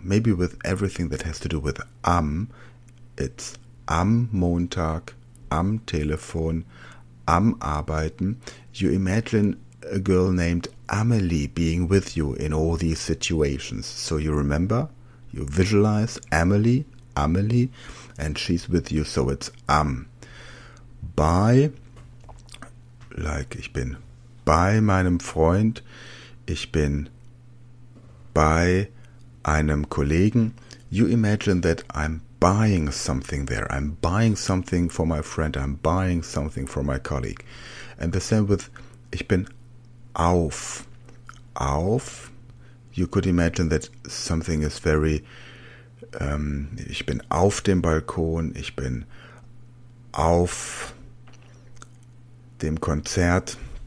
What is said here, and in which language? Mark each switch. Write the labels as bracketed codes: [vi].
[en] Maybe with everything that has to do with am, it's [de] am Montag, am Telefon, am Arbeiten. [en] You imagine a girl named Amelie being with you in all these situations. So you remember, you visualize Amelie, and she's with you, so it's am. By, like [de] ich bin bei meinem Freund, ich bin bei einem Kollegen. [en] You imagine that I'm buying something there. I'm buying something for my friend, I'm buying something for my colleague. And the same with [de] ich bin auf. Auf, [en] you could imagine that something is very, [de] ich bin auf dem Balkon, ich bin auf dem Konzert.